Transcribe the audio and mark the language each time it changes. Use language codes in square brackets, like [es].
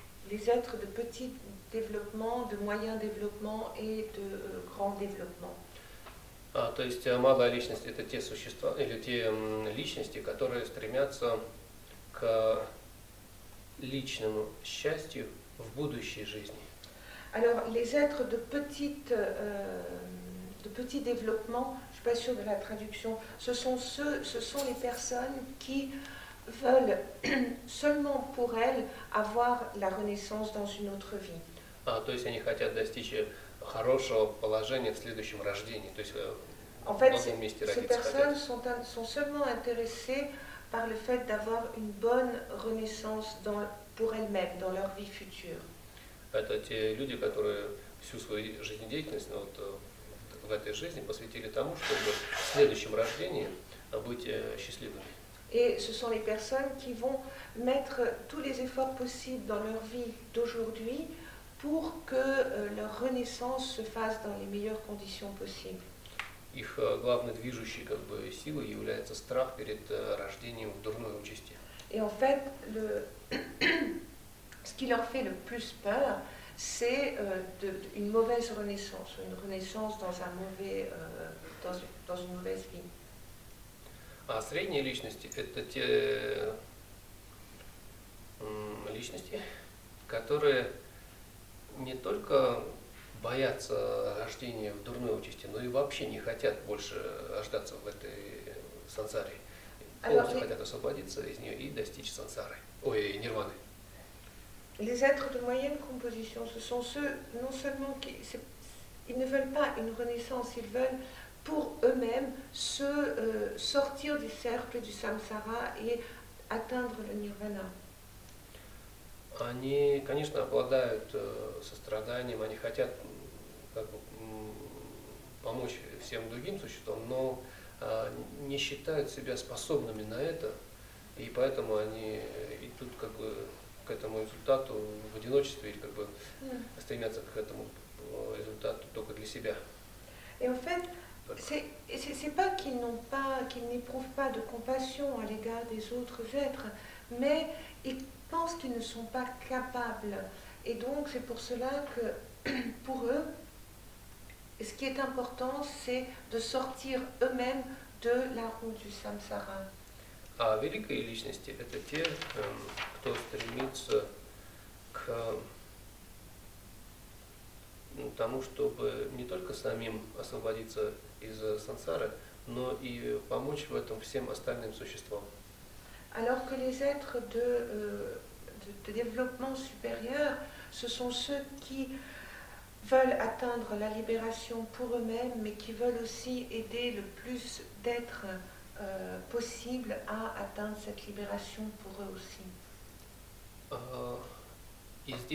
[fr] Les êtres de petit développement, de moyen développement et de grand développement. [ru] То есть малая личность — это те существа или те личности, которые стремятся к личному счастью в будущей жизни. [fr] Alors les êtres de petit développement, je suis pas sûre de la traduction, ce sont les personnes qui veulent seulement pour elles avoir la renaissance dans une autre vie. [ru] То есть они хотят достичь хорошего положения в следующем рождении, то есть [fr] en fait, ces personnes sont seulement intéressées par le fait d'avoir une bonne renaissance pour elles-mêmes dans leur vie future. [ru] Это те люди, которые всю свою жизнедеятельность в этой жизни посвятили тому, чтобы в следующем рождении быть счастливыми. [fr] Et ce sont les personnes qui vont mettre tous les efforts possibles dans leur vie d'aujourd'hui pour que leur renaissance se fasse dans les meilleures conditions possibles. [ru] Их главной движущей как бы силой является страх перед рождением в дурной участи. [fr] Et en fait, ce qui leur fait le plus peur, c'est une mauvaise renaissance, une renaissance dans une mauvaise vie. [ru] А средние личности – это те личности, которые не только боятся рождения в дурной участи, но и вообще не хотят больше рождаться в этой сансаре. Полностью хотят освободиться из нее и достичь сансары, нирваны. [fr] Les êtres de moyenne composition, ce sont ceux, non seulement qui, ils ne veulent pas une renaissance, ils veulent pour eux-mêmes se sortir du cercle du samsara et atteindre le nirvana. [ru] Они, конечно, обладают состраданием, они хотят как бы помочь всем другим существам, но не считают себя способными на это, и поэтому они идут как бы к этому результату в одиночестве или как бы стремятся к этому результату только для себя. [fr] Et en fait, c'est pas qu'ils n'éprouvent pas de compassion à l'égard des autres êtres, mais ils pensent qu'ils ne sont pas capables. Et donc c'est pour cela que pour eux, ce qui est important, c'est de sortir eux-mêmes de la roue du samsara. [ru] А великие личности – это те, кто стремится к тому, чтобы не только самим освободиться из сансары, но и помочь в этом всем остальным существам. [fr] Alors que les êtres de développement supérieur, ce sont ceux qui veulent atteindre la libération pour eux-mêmes, mais qui veulent aussi aider le plus d'êtres possible à atteindre cette libération pour eux aussi.